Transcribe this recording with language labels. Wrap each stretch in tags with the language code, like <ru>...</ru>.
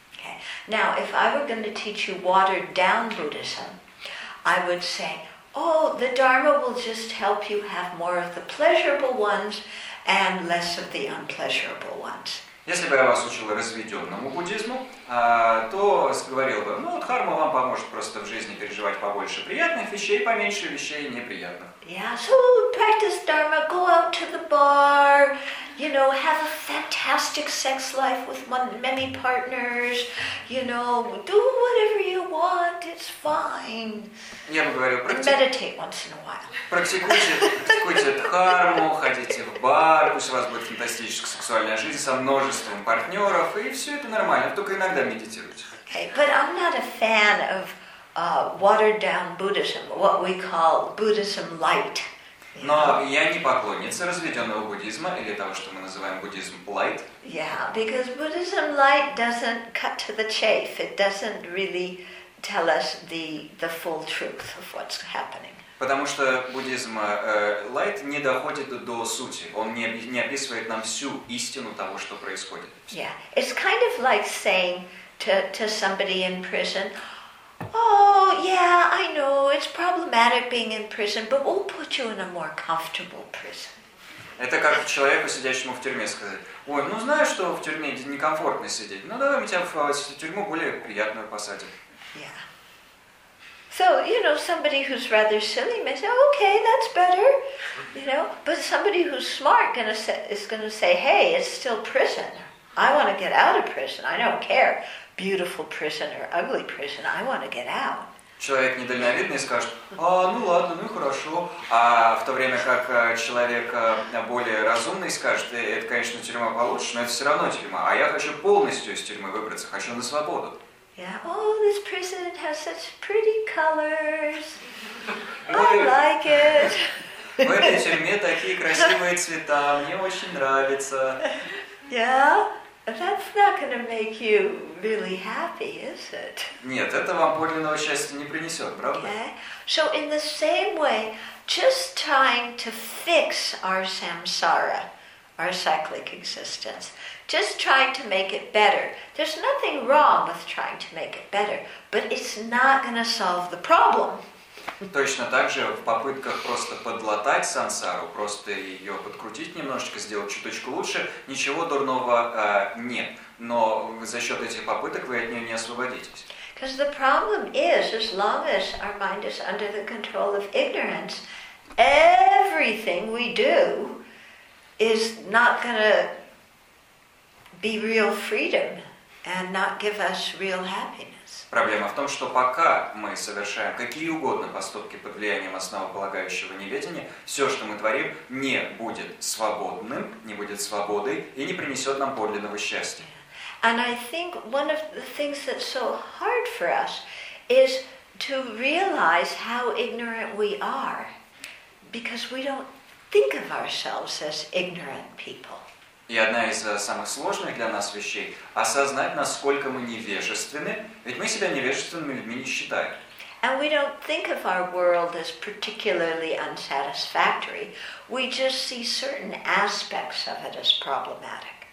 <en>Okay. Now, if I were going to teach you watered down Buddhism, I would say, oh, the Dharma will just help you have more of the pleasurable ones and less of the unpleasurable ones.</en> <ru>Если бы я вас учил разведенному буддизму, то говорил бы, ну, дхарма вам поможет просто в жизни переживать побольше приятных вещей, поменьше вещей неприятных.</ru> <en>Yeah, so practice dharma, go out to the bar, you know, have a fantastic sex life with many partners, you know, do whatever you want, it's fine.</en> <ru>Я бы говорил,</ru> <en>meditate once in a while.</en> <ru>Практикуйте дхарму, ходите в бар, пусть у вас будет фантастическая сексуальная жизнь со множеством партнеров, и все это нормально, только иногда медитируйте.</ru> <en>Okay, but I'm not a fan of watered-down Buddhism, what we call Buddhism light.</en> <ru>Но я не поклонница разведенного буддизма или того, что мы называем буддизм light.</ru> <en>Yeah, because Buddhism light doesn't cut to the chase. It doesn't really tell us the full truth of what's happening.</en> <ru>Потому что буддизм light не доходит до сути. Он не описывает нам всю истину того, что происходит.</ru> <en>Yeah, it's kind of like saying to somebody in prison. Oh, yeah, I know, it's problematic being in prison, but we'll put you in a more comfortable prison.</en> <ru>Это как человеку, сидящему в тюрьме, сказать, ой, ну знаешь, что в тюрьме некомфортно сидеть, ну давай мы тебя в тюрьму более приятную посадим.</ru> <en>Yeah. So, you know, somebody who's rather silly may say, okay, that's better, you know, but somebody who's smart is going to say, hey, it's still prison, I want to get out of prison, I don't care. Beautiful prison or ugly prison, I want to get out.</en> <ru>Человек недальновидный скажет, а, ну ладно, ну хорошо. А в то время как человек более разумный скажет, это, конечно, тюрьма получше, но это все равно тюрьма. А я хочу полностью из тюрьмы выбраться, хочу на свободу.</ru> <en>Yeah, oh, this prison has such pretty colors. I like it.</en> <ru>В этой тюрьме такие красивые цвета, мне очень нравится.</ru> <en>Yeah? That's not going to make you really happy, is it?</en> <ru>Нет, это вам подлинного счастья не принесет, правда?</ru> <en>Okay. So in the same way, just trying to fix our samsara, our cyclic existence, just trying to make it better. There's nothing wrong with trying to make it better, but it's not going to solve the problem.</en> <ru>Точно так же в попытках просто подлатать сансару, просто ее подкрутить немножечко, сделать чуточку лучше, ничего дурного нет. Но за счет этих попыток вы от нее не освободитесь.</ru> <en>Because the problem is, as long as our mind is under the control of ignorance, everything we do is not going to be real freedom and not give us real happiness.</en> <ru>Проблема в том, что пока мы совершаем какие угодно поступки под влиянием основополагающего неведения, все, что мы творим, не будет свободным, не будет свободой и не принесет нам подлинного счастья.</ru> <en>And I think one of the things that's so hard for us is to realize how ignorant we are, because we don't think of ourselves as ignorant people.</en> <ru>И одна из самых сложных для нас вещей – осознать, насколько мы невежественны, ведь мы себя невежественными людьми не считаем.</ru> <en>And we don't think of our world as particularly unsatisfactory. We just see certain aspects of it as problematic.</en>